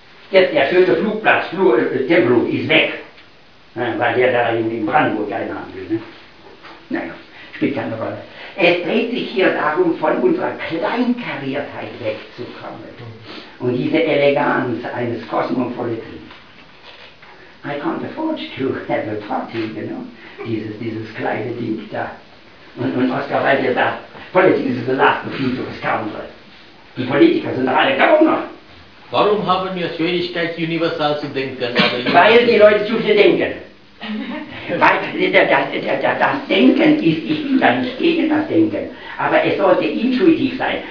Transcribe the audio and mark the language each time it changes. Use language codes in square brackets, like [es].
[de] Jetzt der schöne Flugplatz, Tempelhof, ist weg. Weil der da in Brandenburg einhaben will. Ne? Naja, spielt keine Rolle. Es dreht sich hier darum, von unserer Kleinkariertheit wegzukommen. Und diese Eleganz eines Kosmopoliten. [en] I can't afford to have a party, you know? [de] Dieses kleine Ding da. Und Oscar Wilde sagt, Politik ist [en] the last of the scoundrel. [de] Die Politiker sind doch alle Gauner. Warum haben wir Schwierigkeit, universal zu denken? Weil die Leute zu viel denken. Weil das Denken ist, ich bin da nicht gegen das Denken, aber es sollte intuitiv sein.